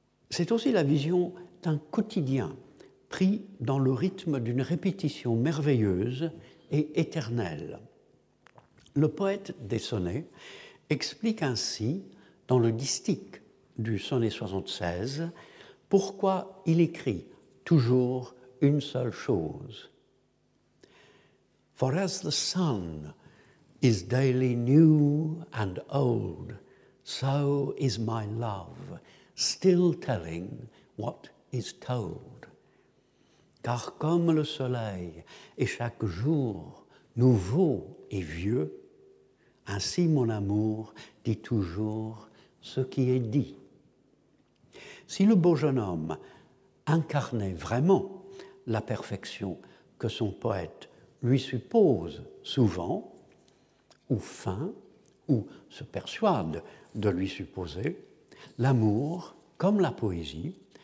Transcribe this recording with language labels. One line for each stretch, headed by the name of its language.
French: C'est aussi la vision d'un quotidien pris dans le rythme d'une répétition merveilleuse et éternelle. Le poète des sonnets explique ainsi, dans le distique du sonnet 76, pourquoi il écrit toujours une seule chose.
English: For as the sun is daily new and old, so is my love, still telling what is told.
French: Car comme le soleil est chaque jour nouveau et vieux, ainsi mon amour dit toujours ce qui est dit. Si le beau jeune homme incarnait vraiment la perfection que son poète lui suppose souvent, ou feint, ou se persuade de lui supposer, l'amour, comme la poésie,